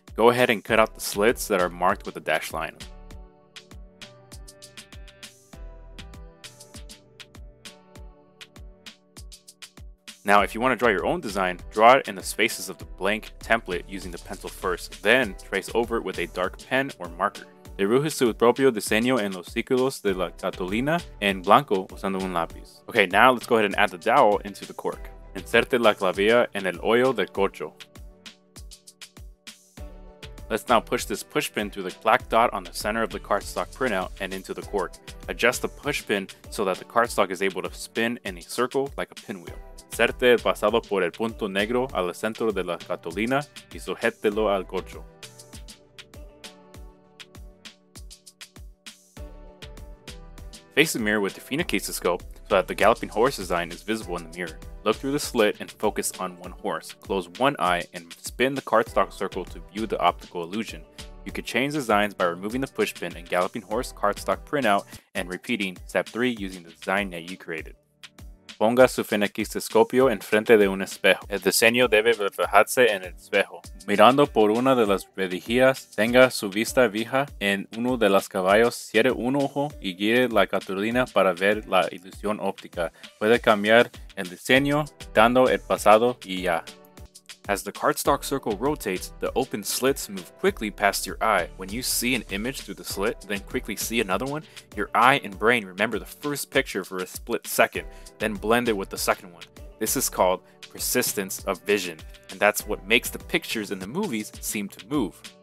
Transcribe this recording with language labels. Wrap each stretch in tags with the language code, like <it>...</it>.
<en>Go ahead and cut out the slits that are marked with a dashed line. Now, if you want to draw your own design, draw it in the spaces of the blank template using the pencil first, then trace over it with a dark pen or marker.</en> <es>Dibuja su propio diseño en los círculos de la cartulina en blanco usando un lápiz.</es> <en>Okay, now let's go ahead and add the dowel into the cork.</en> <es>Inserte la clavilla en el hoyo del corcho.</es> <en>Let's now push this pushpin through the black dot on the center of the cardstock printout and into the cork. Adjust the pushpin so that the cardstock is able to spin in a circle like a pinwheel.</en> <es>Inserte el pasado por el punto negro al centro de la cartulina y sujetelo al corcho.</es> <en>Face the mirror with the Phenakistiscope so that the galloping horse design is visible in the mirror. Look through the slit and focus on one horse. Close one eye and spin the cardstock circle to view the optical illusion. You could change designs by removing the pushpin and galloping horse cardstock printout and repeating step 3 using the design that you created.</en> <es>Ponga su Phenakistiscopio en frente de un espejo. El diseño debe reflejarse en el espejo. Mirando por una de las rejillas, tenga su vista fija en uno de los caballos, cierre un ojo y guíe la cartulina para ver la ilusión óptica. Puede cambiar el diseño dando el pasado y ya.</es> <en>As the cardstock circle rotates, the open slits move quickly past your eye. When you see an image through the slit, then quickly see another one, your eye and brain remember the first picture for a split second, then blend it with the second one. This is called persistence of vision, and that's what makes the pictures in the movies seem to move.</en>